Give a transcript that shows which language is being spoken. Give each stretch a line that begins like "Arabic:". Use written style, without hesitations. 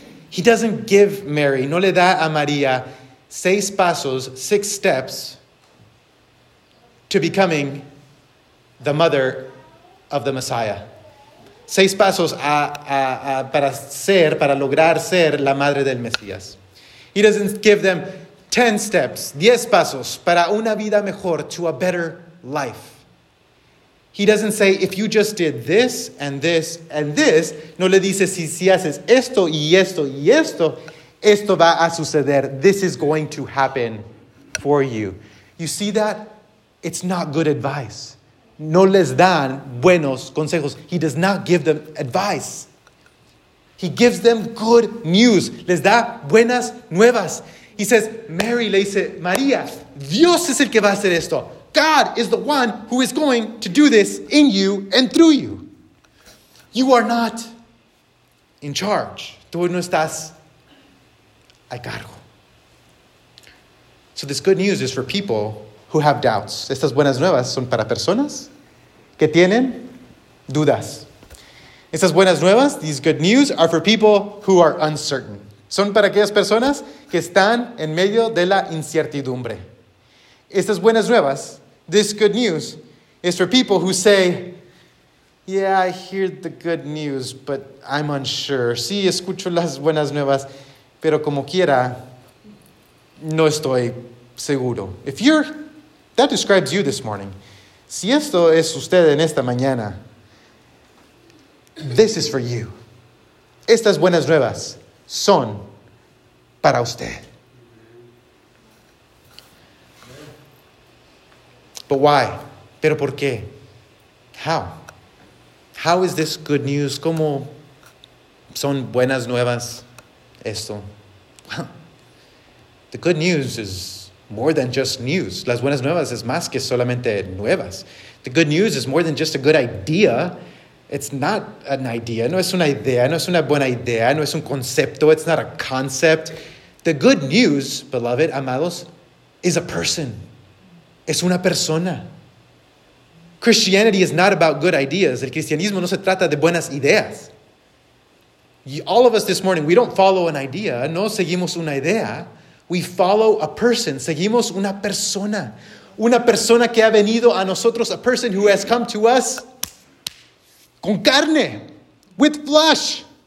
English: He doesn't give Mary,
Spanish: no le da a María seis pasos,
English: six steps to becoming the mother of the Messiah.
Spanish: Seis pasos para lograr ser la madre del Mesías.
English: He doesn't give them 10 steps,
Spanish: 10 pasos para una vida mejor,
English: to a better life. He doesn't say, if you just did this and this and this,
Spanish: no le dice, si haces esto y esto y esto, esto va a suceder.
English: This is going to happen for you. You see that? It's not good advice.
Spanish: No les dan buenos consejos.
English: He does not give them advice. He gives them good news.
Spanish: Les da buenas nuevas.
English: He says, Mary,
Spanish: le dice, María, Dios es el que va a hacer esto.
English: God is the one who is going to do this in you and through you. You are not in charge.
Spanish: Tú no estás a cargo.
English: So this good news is for people who have doubts.
Spanish: Estas buenas nuevas son para personas que tienen dudas. Estas buenas nuevas,
English: these good news, are for people who are uncertain.
Spanish: Son para aquellas personas que están en medio de la incertidumbre. Estas buenas nuevas,
English: this good news, is for people who say, yeah, I hear the good news, but I'm unsure.
Spanish: Sí, escucho las buenas nuevas, pero como quiera, no estoy seguro.
English: If you're, that describes you this morning.
Spanish: Si esto es usted en esta mañana,
English: this is for you.
Spanish: Estas buenas nuevas son para usted.
English: But why?
Spanish: Pero por qué?
English: How? How is this good news?
Spanish: ¿Cómo son buenas nuevas esto?
English: The good news is more than just news.
Spanish: Las buenas nuevas es más que solamente nuevas.
English: The good news is more than just a good idea. It's not an idea.
Spanish: No es una idea. No es una buena idea. No es un concepto.
English: It's not a concept. The good news, beloved, amados, is a person.
Spanish: Es una persona.
English: Christianity is not about good ideas.
Spanish: El cristianismo no se trata de buenas ideas.
English: All of us this morning, we don't follow an idea.
Spanish: No seguimos una idea.
English: We follow a person.
Spanish: Seguimos una persona. Una persona que ha venido a nosotros.
English: A person who has come to us
Spanish: con carne,
English: with flesh.